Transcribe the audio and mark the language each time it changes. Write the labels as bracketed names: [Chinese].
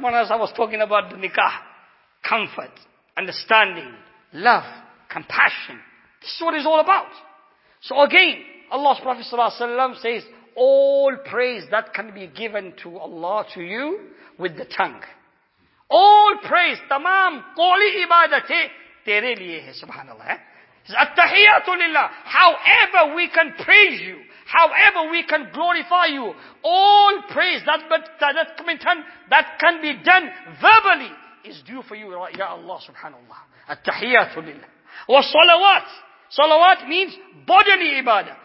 [English] One of us, I was talking about the nikah. Comfort, understanding, love, compassion. This is what it's all about. So again, Allah's Prophet Sallallahu Alaihi Wasallam says, all praise that can be given to Allah, to you, with the tongue. All praise, [Urdu] تمام, قولی عبادتے, تیرے لیے ہے, سبحان اللہ. [Arabic] At-tahiyyatu lillah. [English] However we can praise you, however we can glorify you, all praise that can be done verbally is due for you, Ya Allah subhanAllah. At-tahiyyatu lillah. Wa salawat. Salawat means bodily ibadah.